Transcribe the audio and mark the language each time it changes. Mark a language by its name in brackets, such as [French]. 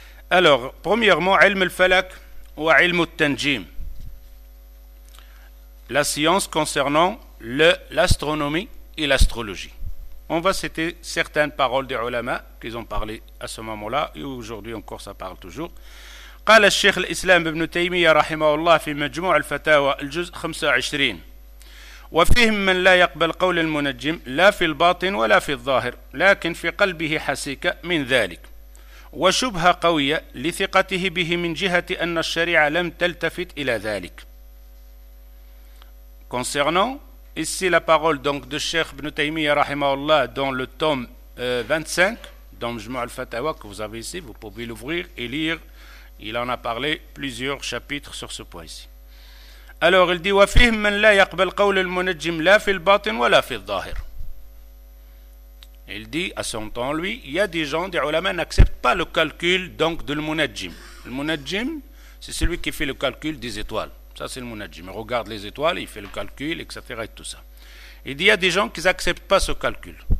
[French] Alors, premièrement, « ilm al-falak » ou « ilm al-tanjim ». La science concernant l'astronomie et l'astrologie. On va citer certaines paroles des ulama qu'ils ont parlé à ce moment-là et aujourd'hui encore ça parle toujours. [Arabic] قال الشيخ الإسلام ابن تيمية رحمه الله في مجموع الفتاوى الجزء 25 وفيهم من لا يقبل قول المنجم لا في الباطن ولا في الظاهر لكن في قلبه حسيك من ذلك وشبهة قوية لثقته به من جهة أن الشريعة لم تلتفت إلى ذلك. [French] Concernant ici la parole donc de Cheikh Ibn Taymiyyah rahimahullah dans le tome 25 dans Majmou' al-Fatawa que vous avez ici, vous pouvez l'ouvrir et lire. Il en a parlé plusieurs chapitres sur ce point ici. Alors il dit [Arabic] وفيهم من لا يقبل قول المنجم لا في الباطن ولا في الظاهر. [French] Il dit, à son temps, lui, il y a des gens, des ulama, n'acceptent pas le calcul, donc, de le munajjim. Le munajjim, c'est celui qui fait le calcul des étoiles. Ça, c'est le munajjim. Il regarde les étoiles, il fait le calcul, etc. et tout ça. Il dit, il y a des gens qui n'acceptent pas ce calcul.